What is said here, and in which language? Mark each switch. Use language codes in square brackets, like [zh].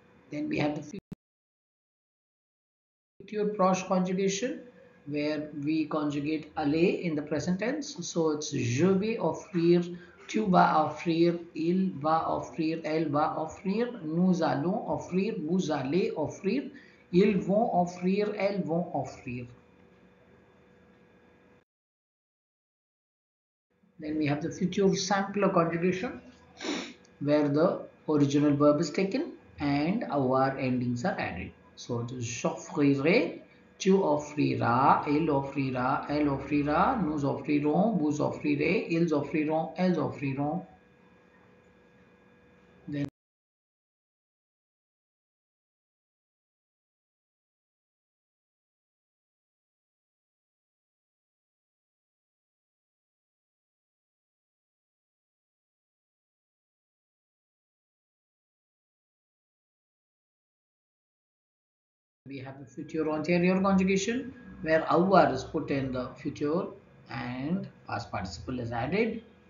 [en] Then we have the [fr] future proche [en] conjugation where we conjugate aller in the present tense. So it's [fr] je vais offrir. Tu vas offrir, il va offrir, elle va offrir, nous allons offrir, vous allez offrir, ils vont offrir, elles vont offrir. [en] Then we have the future simpler conjugation where the original verb is taken and our endings are added. [fr] So, j'offrirai, tu offriras, il offrira, elle offrira, nous offrirons, vous offrirez, ils offriront, elles offriront. [en] Then, we have the future anterior conjugation where avoir is put in the future and past participle is added.